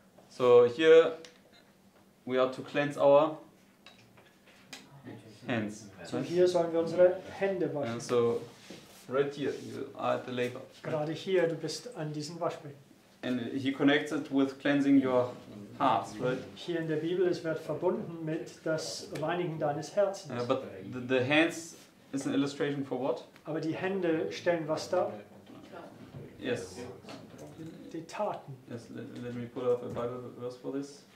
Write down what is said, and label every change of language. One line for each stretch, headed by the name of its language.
English: So here we are to cleanse our hands.
German: So
English: here
German: sollen wir unsere Hände waschen.
English: And so right here, you are at the laver.
German: Gerade hier, du bist an diesem Waschbecken.
English: And he connects it with cleansing your hearts, right?
German: Hier in der Bibel es wird verbunden mit das Reinigen deines Herzens.
English: Yeah, but the hands is an illustration for what?
German: Aber die Hände stellen was dar?
English: Yes.
German: Die Taten.
English: Yes, let me pull up a Bible verse for this.